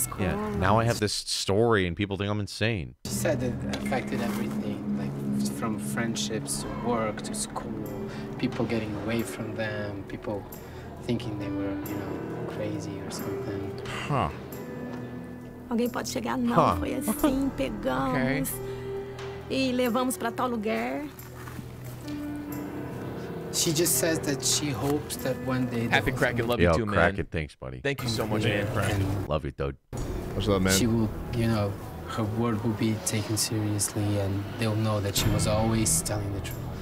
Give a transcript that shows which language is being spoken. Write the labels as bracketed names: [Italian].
[English] Yeah. Now I have this story and people think I'm insane. She said it affected everything, like from friendships to work to school, people getting away from them, people thinking they were, you know, crazy or something. Huh. [Portuguese] Alguém pode chegar? Não, foi assim, pegamos e levamos para tal lugar. [English] She just says that she hopes that one day... Happy Kraken, love yo, you too, man. Yo, Kraken, thanks, buddy. Thank you so much, man. And love you, dude. What's up, man? She will, you know, her word will be taken seriously, and they'll know that she was always telling the truth.